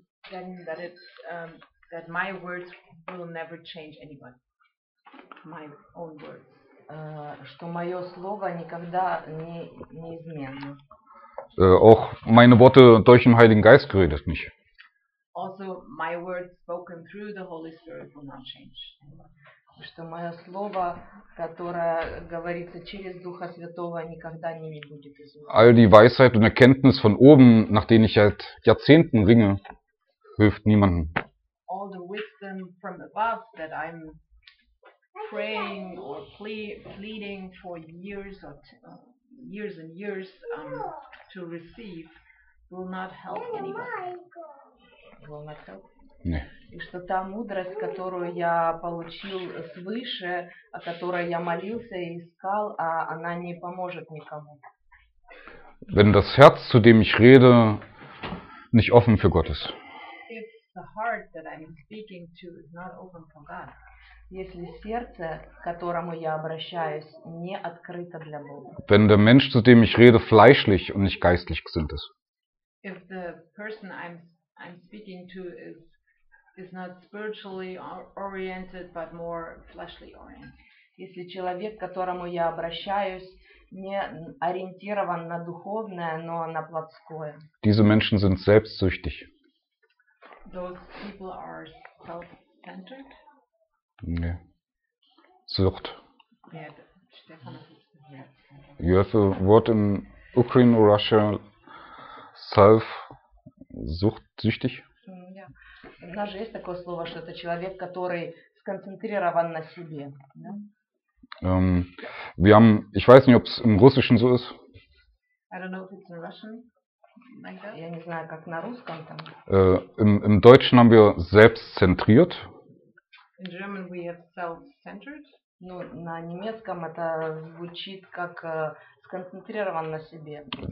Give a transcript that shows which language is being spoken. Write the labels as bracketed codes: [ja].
[en] Then that it's that my words will never change anyone. My own words. [ru] Что мое слово никогда не изменно. [de] Auch meine Worte durch den Heiligen Geist geredet nicht. [en] Also my words spoken through the Holy Spirit will not change. [ru] Что мое слово, которое говорится через Духа Святого, никогда не будет изменено. [de] All die Weisheit und Erkenntnis von oben, nach denen ich seit Jahrzehnten ringe, hilft niemandem. [en] All the wisdom from above that I'm praying or pleading for years or years and years to receive will not help anybody. Will not help. [de] Nee. [ru] И что та мудрость, которую я получил свыше, о которой я молился и искал, а она не поможет никому. [de] Wenn das Herz, zu dem ich rede, nicht offen für Gott ist. [en] If the heart that I'm speaking to is not open for God. [ru] Если сердце, к которому я обращаюсь, не открыто для Бога. [de] Wenn der Mensch, zu dem ich rede, fleischlich und nicht geistlich gesinnt ist. [en] If the person I'm speaking to is not spiritually oriented, but more fleshly oriented. [ru] Если человек, к которому я обращаюсь, не ориентирован на духовное, но на плотское. [de] Diese Menschen sind selbstsüchtig. [en] Those people are self-centered? [de] Nee. Sucht. [en] Yeah, Stefan. You have a word in Ukraine or Russia, self, sucht, süchtig? [ru] У нас же есть такое слово, что это человек, который сконцентрирован на себе. [de] Wir haben, ich weiß nicht, ob es im Russischen so ist. [en] I don't know if it's in Russian. [ru] Я не знаю, как на русском там. [de] Im Deutschen haben wir selbstzentriert. [en] In German we have self-centered. [ru] Ну, на немецком это звучит как сконцентрирован на себе.